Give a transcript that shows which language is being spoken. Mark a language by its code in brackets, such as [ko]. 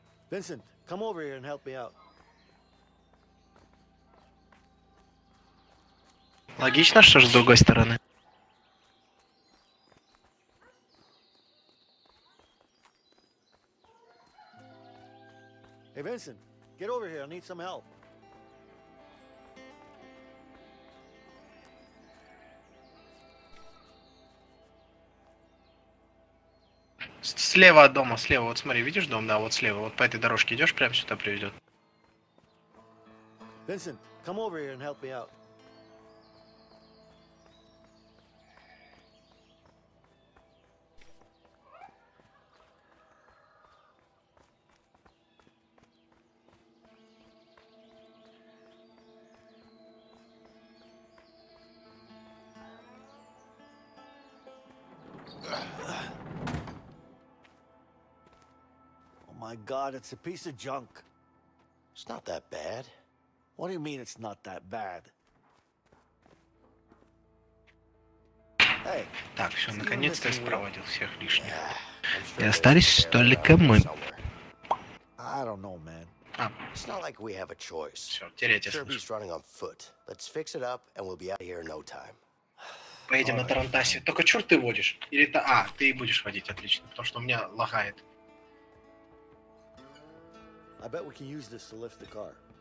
[en] Vincent, come over here and help me out. [ru] Логично, что же с другой стороны. [en] Hey, Vincent, get over here. I need some help. [ru] Слева от дома, слева, вот смотри, видишь дом, да, вот слева, вот по этой дорожке идешь, прямо сюда приведет. [en] Vincent, come over here and help me out. My God, it's a piece of junk. It's not that bad. What do you mean it's not that bad? Hey. [ru] Так, все, наконец-то я спроводил всех лишних. [en] Yeah. [ru] Sure и остались только мы. [en] I don't know, man. It's not like we have a choice. [ru] Все, теряйте. [en] Kirby's running on foot. Let's fix it up, and we'll be out of here in no time. [ru] Поедем на Тарантасе. Только черт ты водишь. Или это... А, ты будешь водить, отлично. Потому что у меня лагает. [en] I bet we can use this to lift the car.